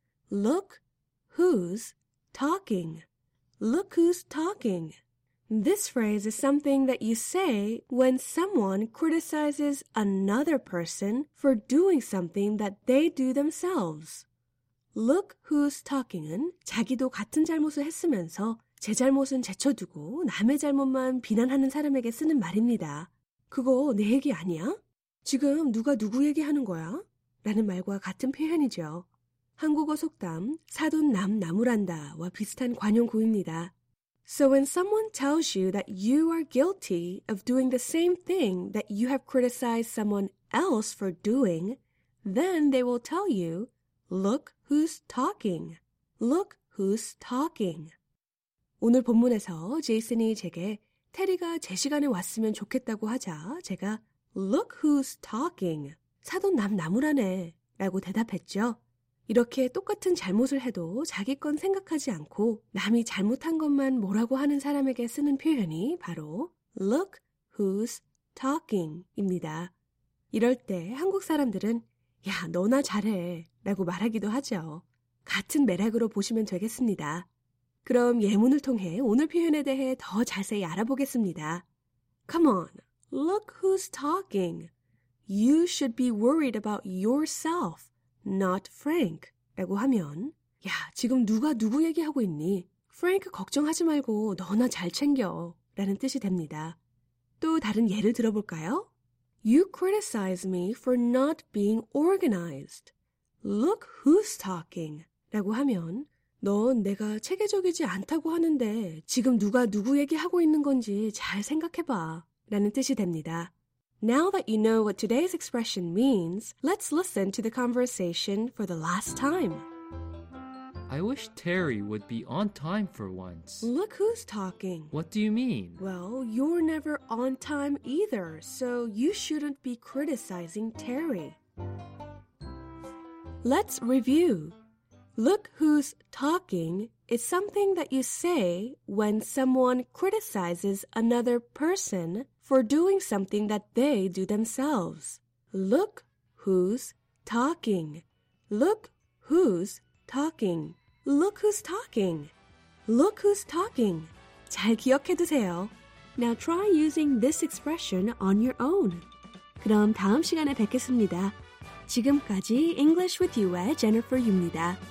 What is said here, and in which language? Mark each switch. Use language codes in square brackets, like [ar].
[en] Look who's talking. Look who's talking. This phrase is something that you say when someone criticizes another person for doing something that they do themselves. Look who's talking은 [ko] 자기도 같은 잘못을 했으면서 제 잘못은 제쳐두고 남의 잘못만 비난하는 사람에게 쓰는 말입니다. 그거 내 얘기 아니야? 지금 누가 누구 얘기하는 거야? 라는 말과 같은 표현이죠. 한국어 속담 사돈 남 나무란다와 비슷한 관용구입니다. [en] So when someone tells you that you are guilty of doing the same thing that you have criticized someone else for doing, then they will tell you, look who's talking. Look who's talking. [ko] 오늘 본문에서 제이슨이 제게 테리가 제 시간에 왔으면 좋겠다고 하자 제가 [en] Look who's talking. [ko] 사돈 남 나무라네 라고 대답했죠. 이렇게 똑같은 잘못을 해도 자기 건 생각하지 않고 남이 잘못한 것만 뭐라고 하는 사람에게 쓰는 표현이 바로 [en] Look who's talking [ko] 입니다. 이럴 때 한국 사람들은 야 너나 잘해 라고 말하기도 하죠. 같은 맥락으로 보시면 되겠습니다. 그럼 예문을 통해 오늘 표현에 대해 더 자세히 알아보겠습니다. [en] Come on, look who's talking. You should be worried about yourself, not Frank. [ko] 라고 하면, 야, 지금 누가 누구 얘기하고 있니? Frank 걱정하지 말고 너나 잘 챙겨. 라는 뜻이 됩니다. 또 다른 예를 들어볼까요? [en] You criticize me for not being organized. Look who's talking. [ko] 라고 하면, 넌 내가 체계적이지 않다고 하는데 지금 누가 누구 얘기하고 있는 건지 잘 생각해봐. 라는 뜻이 됩니다. [en] Now that you know what today's expression means, let's listen to the conversation for the last time. I wish Terry would be on time for once. Look who's talking. What do you mean? Well, you're never on time either, so you shouldn't be criticizing Terry. Let's review. Look who's talking is something that you say when someone criticizes another person for doing something that they do themselves. Look who's talking. Look who's talking. Look who's talking. Look who's talking. [ko] 잘 기억해 두세요. [en] Now try using this expression on your own. [ko] 그럼 다음 시간에 뵙겠습니다. 지금까지 English with You의 Jennifer 유입니다.